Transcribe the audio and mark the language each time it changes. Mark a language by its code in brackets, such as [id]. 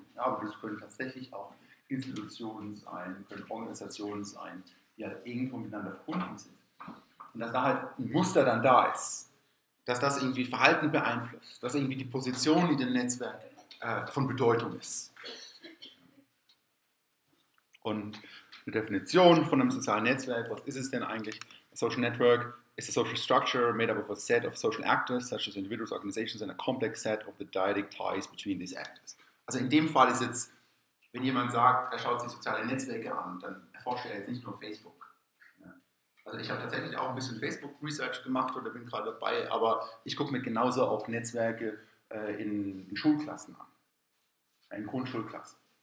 [de] Ja, aber das können tatsächlich auch Institutionen sein, können Organisationen sein, die halt irgendwo miteinander verbunden sind. Und dass da halt ein Muster dann da ist, dass das irgendwie Verhalten beeinflusst, dass irgendwie die Position in dem Netzwerk von Bedeutung ist. Und eine Definition von einem sozialen Netzwerk, was ist es denn eigentlich? [en] Social Network is a social structure made up of a set of social actors, such as individuals, organizations, and a complex set of the dyadic ties between these actors. [de] Also in dem Fall ist jetzt, wenn jemand sagt, er schaut sich soziale Netzwerke an, dann erforscht er jetzt nicht nur Facebook. Ja. Also ich habe tatsächlich auch ein bisschen Facebook-Research gemacht oder bin gerade dabei, aber ich gucke mir genauso auch Netzwerke in Schulklassen an. In Grundschulklassen.